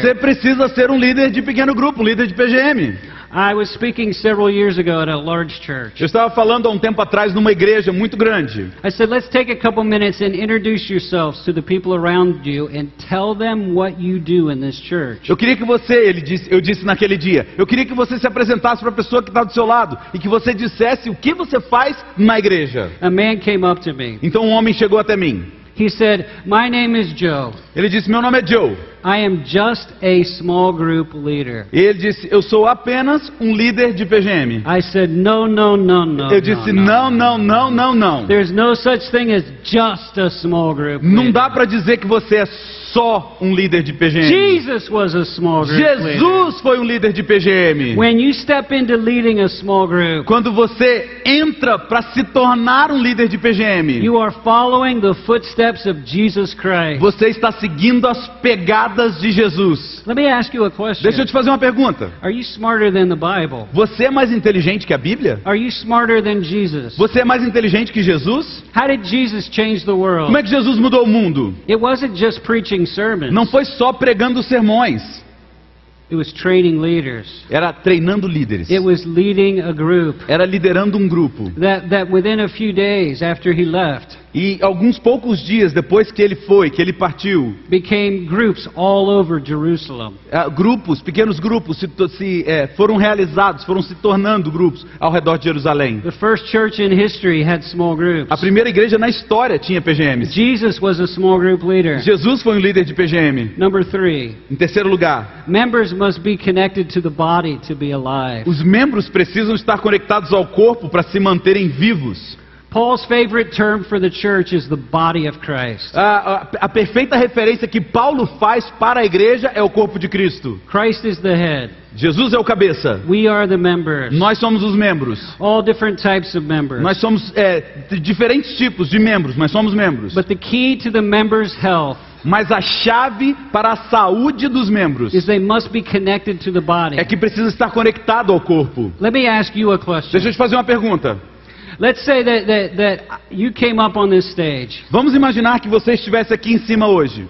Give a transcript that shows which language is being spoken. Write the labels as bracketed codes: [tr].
[pt] Você precisa ser um líder de pequeno grupo, um líder de PGM. [en] I was speaking several years ago at a large church. [pt] Eu estava falando há tempo atrás numa igreja muito grande. [en] I said, let's take a couple minutes and introduce yourselves to the people around you and tell them what you do in this church. [pt] Eu queria que você, eu disse naquele dia, eu queria que você se apresentasse para a pessoa que está do seu lado e que você dissesse o que você faz na igreja. [en] A man came up to me. [pt] Então um homem chegou até mim. [en] He said, my name is Joe. [pt] Ele disse, meu nome é Joe. [en] I am just a small group leader. [pt] Ele disse, eu sou apenas líder de PGM. [en] I said, no, no, no, no. [pt] Eu disse, não. [en] There's no such thing as just a small group leader. [pt] Não dá para dizer que você é só líder de PGM. [en] Jesus was a small group leader. [pt] Jesus foi líder de PGM. [en] When you step into leading a small group, [pt] quando você entra para se tornar líder de PGM, [en] you are following the footsteps of Jesus Christ. [pt] Você está seguindo as pegadas de Jesus. [en] Let me ask you a question. [pt] Deixa eu te fazer uma pergunta. [en] Are you smarter than the Bible? [pt] Você é mais inteligente que a Bíblia? [en] Are you smarter than Jesus? [pt] Você é mais inteligente que Jesus? [en] How did Jesus change the world? [pt] Como é que Jesus mudou o mundo? [en] It wasn't just preaching sermons. [pt] Não foi só pregando sermões. [en] It was training leaders. [pt] Era treinando líderes. [en] It was leading a group. [pt] Era liderando grupo. [en] That within a few days after he left. [pt] E alguns poucos dias depois que ele foi, que ele partiu. [en] Became groups all over Jerusalem. [pt] Grupos, pequenos grupos foram realizados, foram se tornando grupos ao redor de Jerusalém. [en] The first church in history had small groups. [pt] A primeira igreja na história tinha PGMs. [en] Jesus was a small group leader. [pt] Jesus foi líder de PGM. [en] Number three. [pt] Em terceiro lugar. [en] Members must be connected to the body to be alive. [pt] Os membros precisam estar conectados ao corpo para se manterem vivos. [en] Paul's favorite term for the church is the body of Christ. [pt] A perfeita referência que Paulo faz para a igreja é o corpo de Cristo. [en] Christ is the head. [pt] Jesus é o cabeça. [en] We are the members. [pt] Nós somos os membros. [en] All different types of members. [pt] Nós somos diferentes tipos de membros, mas somos membros. [en] But the key to the members' health. [pt] Mas a chave para a saúde dos membros [en] is they must be connected to the body. [pt] É que precisa estar conectado ao corpo. [en] Let me ask you a question. [pt] Deixa eu te fazer uma pergunta. [en] Let's say that you came up on this stage. [pt] Vamos imaginar que você estivesse aqui em cima hoje.